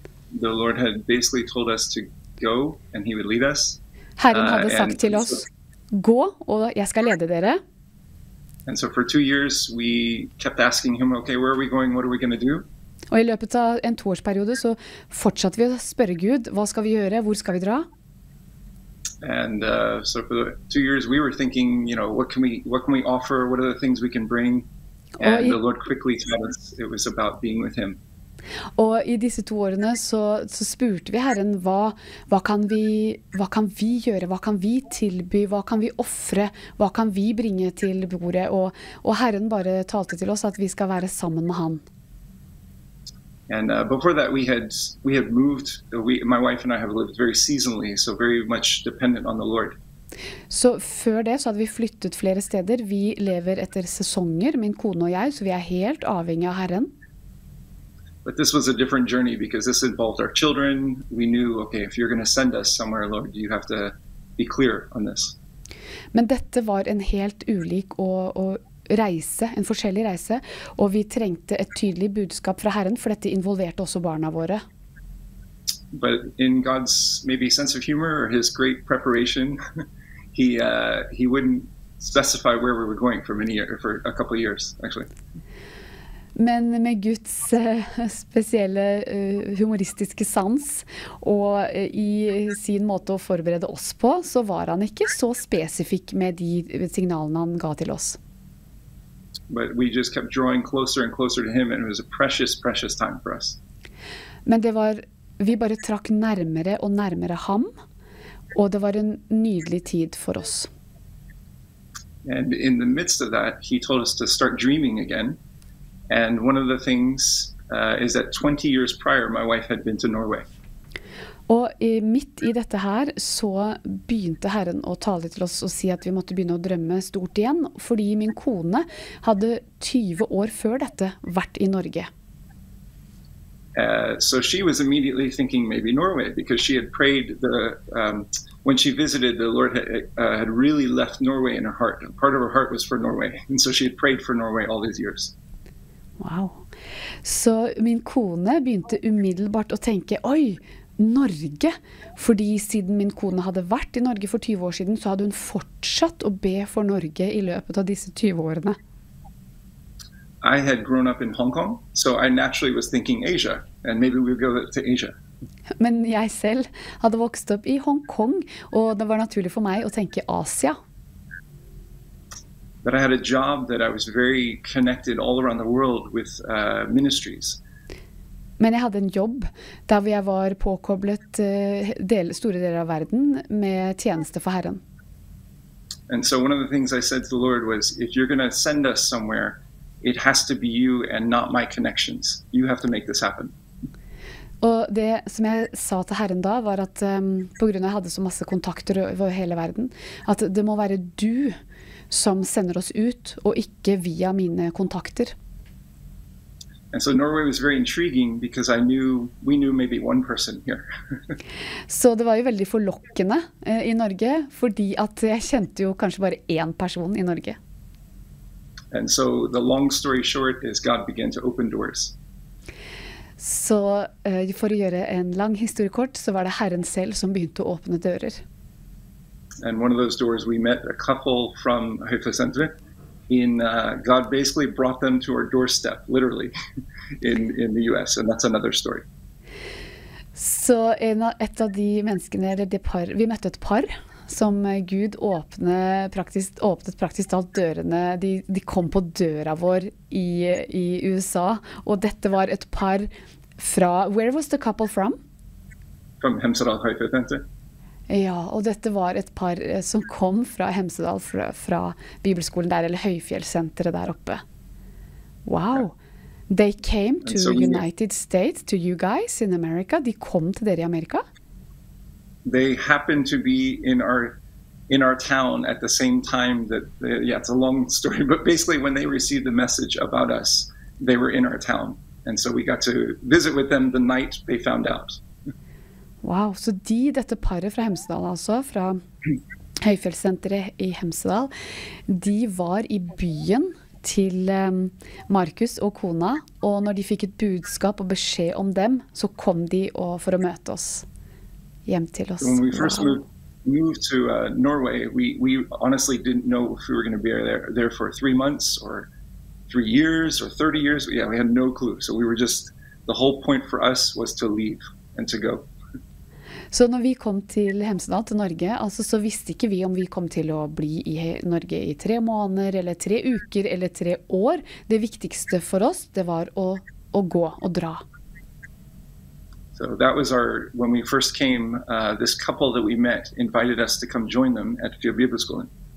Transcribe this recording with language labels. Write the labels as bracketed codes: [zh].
[en] The Lord had basically told us to go and he would lead us. [no] Herren hadde sagt til oss, gå og jeg skal lede dere. [en] And so for 2 years we kept asking him, okay, where are we going? What are we going to do? [no] Og i løpet av en toårsperiode så fortsatte vi å spørre Gud, hva skal vi gjøre? Hvor skal vi dra? [en] And so for 2 years we were thinking, you know, what can we offer, what are the things we can bring, and the Lord quickly told us it was about being with him. [no] Og i disse to årene så spurte vi Herren, hva kan vi gjøre, hva kan vi tilby, hva kan vi offre, hva kan vi bringe til bordet, og Herren bare talte til oss at vi skal være sammen med han. [en] And before that we had moved, my wife and I have lived very seasonally, so very much dependent on the Lord. [no] Så før det så hadde vi flyttet flere steder. Vi lever etter sesonger, min kone og jeg, så vi er helt avhengig av Herren. [en] But this was a different journey because this involved our children. We knew, okay, if you're going to send us somewhere, Lord, you have to be clear on this. [no] Men dette var en helt ulik og reise, en forskjellig reise, og vi trengte et tydelig budskap fra Herren, for dette involverte også barna våre. [en] But in God's maybe sense of humor or his great preparation, he wouldn't specify where we were going for a couple of years actually. [no] Men med Guds spesielle humoristiske sans og i sin måte å forberede oss på, så var han ikke så spesifikk med de signalene han ga til oss. [en] But we just kept drawing closer and closer to him, and it was a precious, precious time for us. [no] Men det var, vi bare trakk nærmere og nærmere ham, og det var en nydelig tid for oss. [en] And in the midst of that, he told us to start dreaming again. And one of the things is that 20 years prior, my wife had been to Norway. [no] Og midt i dette her så begynte Herren å tale til oss og si at vi måtte begynne å drømme stort igjen, fordi min kone hadde 20 år før dette vært i Norge. [en] So she was immediately thinking maybe Norway, because she had prayed when she visited, the Lord had really left Norway in her heart. Part of her heart was for Norway, and so she had prayed for Norway all these years. Wow. [no] Så min kone begynte umiddelbart å tenke, oi, Norge, fordi siden min kone hadde vært i Norge for 20 år siden, så hadde hun fortsatt å be for Norge i løpet av disse 20 årene. [en] I had grown up in Hong Kong, so I naturally was thinking Asia, and maybe we'll go to Asia. [no] Men jeg selv hadde vokst opp i Hong Kong, og det var naturlig for meg å tenke Asia. [en] But I had a job that I was very connected all around the world with ministries. [no] Men jeg hadde en jobb der jeg var påkoblet store deler av verden med tjeneste for Herren. [en] And so one of the things I said to the Lord was, if you're going to send us somewhere, it has to be you and not my connections. You have to make this happen. [no] Og det som jeg sa til Herren da var at på grunn av jeg hadde så masse kontakter over hele verden, at det må være du som sender oss ut og ikke via mine kontakter. [en] And so Norway was very intriguing because we knew maybe one person here. [no] Så det var jo veldig forlokkende i Norge, fordi at jeg kjente jo kanskje bare én person i Norge. [en] And so the long story short is God began to open doors. [no] Så for å gjøre en lang historiekort, så var det Herren selv som begynte å åpne dører. [en] And one of those doors, we met a couple from Haifa Center. God basically brought them to our doorstep, literally, in the US, and that's another story. [no] Så et av de menneskene, eller det par, vi møtte et par, som Gud åpnet praktisk talt dørene. De kom på døra vår i USA, og dette var et par fra, [en] where was the couple from? From Hemsedal, Haifa Center. [no] Ja, og dette var et par som kom fra Hemsedal, fra Bibelskolen der, eller Høyfjellsenteret der oppe. Wow! [en] They came to United States, to you guys in America. [no] De kom til dere i Amerika? [en] They happened to be in our town at the same time that, it's a long story, but basically when they received the message about us, they were in our town. And so we got to visit with them the night they found out. [no] Wow, så dette paret fra Hemsedal, altså, fra Høyfjellsenteret i Hemsedal, de var i byen til Markus og kona, og når de fikk et budskap og beskjed om dem, så kom de for å møte oss, hjem til oss. [en] When we first moved to Norway, we honestly didn't know if we were going to be there for 3 months, or 3 years, or 30 years. Yeah, we had no clue. So we were just, the whole point for us was to leave and to go. [no] Så når vi kom til Hemsedal, til Norge, altså, så visste ikke vi om vi kom til å bli i Norge i 3 måneder, eller 3 uker, eller 3 år. Det viktigste for oss, det var å gå og dra. [en] So that was our, when we first came, this couple that we met invited us to come join them at Fjellbibelskolen.